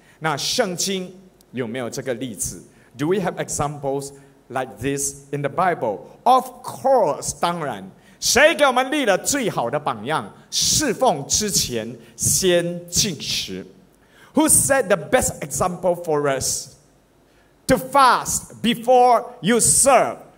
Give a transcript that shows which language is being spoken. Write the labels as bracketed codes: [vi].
[zh] 那圣经有没有这个例子？ [en] Do we have examples like this in the Bible? Of course, [zh] 当然。谁给我们立了最好的榜样？侍奉之前先禁食。 [en] Who set the best example for us to fast before you serve?